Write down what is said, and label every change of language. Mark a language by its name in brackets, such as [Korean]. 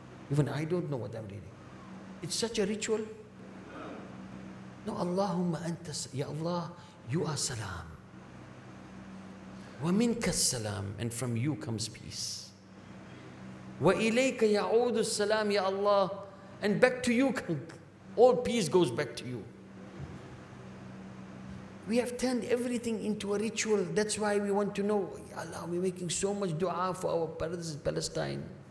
[English] Even I don't know what I'm reading. It's such a ritual. No, [Arabic] Allahumma anta, [English] Ya Allah, you are salam. [Arabic] وَمِنْكَ السَّلَامِ. [English] And from you comes peace. [Arabic] وَإِلَيْكَ يَعُودُ السَّلَامِ. Ya Allah. [English] And back to you, all peace goes back to you. We have turned everything into a ritual. That's why we want to know, Ya Allah, we're making so much dua for our brothers in Palestine.